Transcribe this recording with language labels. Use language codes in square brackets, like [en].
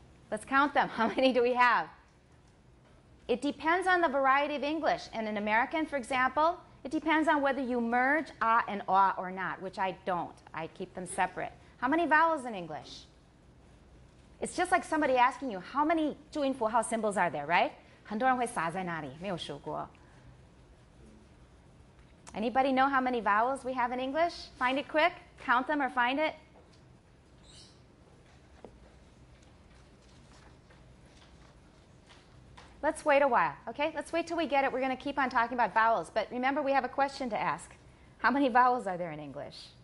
[en] Let's count them. How many do we have? It depends on the variety of English. And in American, for example, it depends on whether you merge ah and ah or not, which I don't. I keep them separate. How many vowels in English? It's just like somebody asking you, how many 注音符号 symbols are there, right? [zh] 很多人会撒在那里,没有数过. [en] Anybody know how many vowels we have in English? Find it quick. Count them or find it. Let's wait a while, okay? Let's wait till we get it. We're going to keep on talking about vowels. But remember, we have a question to ask. How many vowels are there in English?